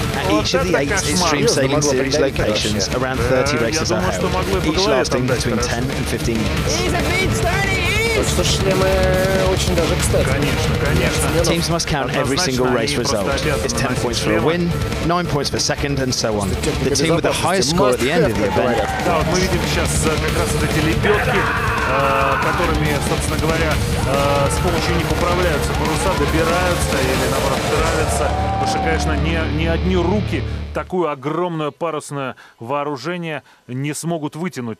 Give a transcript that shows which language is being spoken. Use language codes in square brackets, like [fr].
[en] Each of the eight extreme sailing series locations, around 30 races are held, each lasting between 10 and 15 minutes. [ru] Что шлемы очень даже кстати. Конечно. [en] Teams must count every single race result. It's 10 points for a win, 9 points for second, and so on. The team with the highest score at the end of the event. [ru] Да, вот мы видим сейчас как раз вот эти лебедки, которыми, собственно говоря, с помощью них управляются паруса, добираются или наоборот травятся. Потому что, конечно, не одни руки такую огромное парусное вооружение не смогут вытянуть.